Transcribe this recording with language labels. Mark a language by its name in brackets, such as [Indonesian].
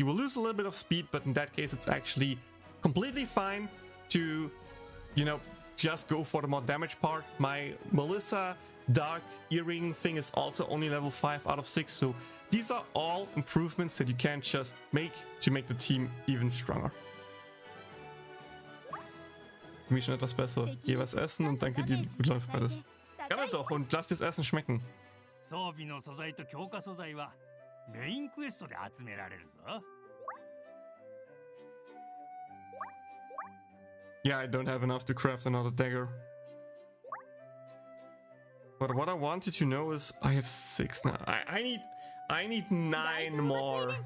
[English] You will lose a little bit of speed, but in that case, it's actually completely fine to, you know, just go for the more damage part. My Melissa dark earring thing is also only level 5 out of 6, so these are all improvements that you can just make to make the team even stronger. [German] Mir schon etwas besser. Geh was essen und danke dir, gut läuft beides. Gerne doch und lass dir das Essen schmecken. [English] Yeah, I don't have enough to craft another dagger. But what I wanted to know is I have 6 now. I need 9 more.